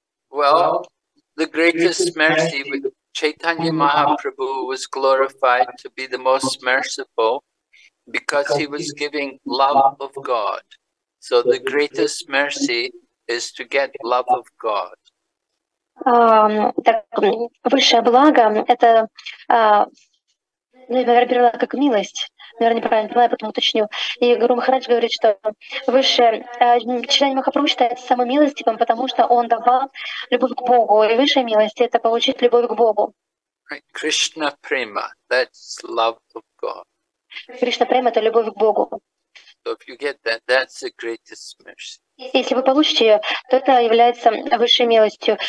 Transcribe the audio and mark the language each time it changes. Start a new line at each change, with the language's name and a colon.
English: Well, the greatest mercy, Chaitanya Mahaprabhu was glorified to be the most merciful because he was giving love of God. So the greatest mercy is to get love of God.
Russian: Так, высшее благо это, наверное, перевела как милость. Наверное, неправильно поняла, я потом уточню. И Гуру Махарадж говорит, что высшее читание Махапрабху считается самым милостивым, потому что он давал любовь к Богу. И высшая милость — это получить любовь к Богу.
English: Кришна према — that's love of God.
Russian: Кришна према — это любовь к Богу.
English: So if you get that, that's the greatest mercy.
Russian: Если вы получите ее, то это является высшей милостью.